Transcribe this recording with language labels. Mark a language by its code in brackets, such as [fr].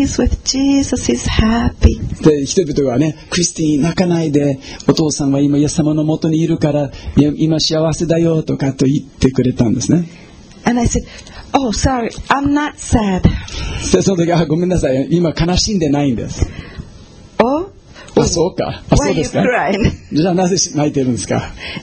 [en] He's with Jesus. He's happy." [ja] で、人々がね、クリスティン、泣かないで、お父さんは今、イエス様の元にいるから、今幸せだよとかと言ってくれたんですね。 [en] And I said, "Oh, sorry, I'm not sad." [ja] で、その時、ごめんなさい、今悲しんでないんです。 Oh? あ、そうか。あ、そうですか。じゃあなぜ泣いてるんですか。